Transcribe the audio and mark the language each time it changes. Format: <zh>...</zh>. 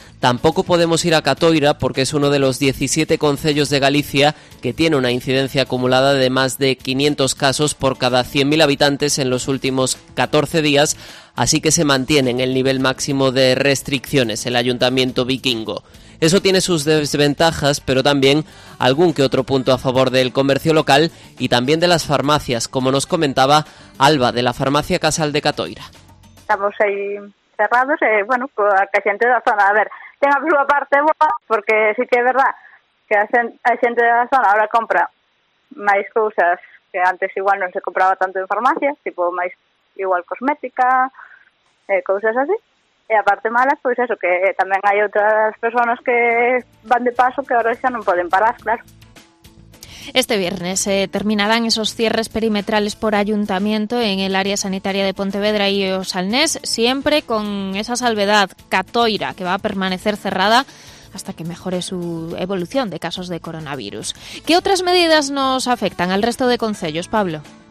<es>Tampoco podemos ir a Catoira porque es uno de los 17 concellos de Galicia que tiene una incidencia acumulada de más de 500 casos por cada 100.000 habitantes en los últimos 14 días, así que se mantiene en el nivel máximo de restricciones el ayuntamiento vikingo. Eso tiene sus desventajas, pero también algún que otro punto a favor del comercio local y también de las farmacias, como nos comentaba Alba, de la farmacia Casal de Catoira.</es> <gl>Estamos ahí cerrados, bueno, que a xente da zona, a ver, ten a súa parte boa, porque sí que é verdad que a xente da zona ahora compra máis cousas que antes igual non se compraba tanto en farmacia, tipo máis igual cosmética, cousas así. E a parte mala, pois eso, que tamén hai outras personas que van de paso que ahora xa non poden parar, claro.</gl> <es>Este viernes terminarán esos cierres perimetrales por ayuntamiento en el área sanitaria de Pontevedra y Osalnés, siempre con esa salvedad, Catoira, que va a permanecer cerrada hasta que mejore su evolución de casos de coronavirus. ¿Qué otras medidas nos afectan al resto de concellos, Pablo?</es>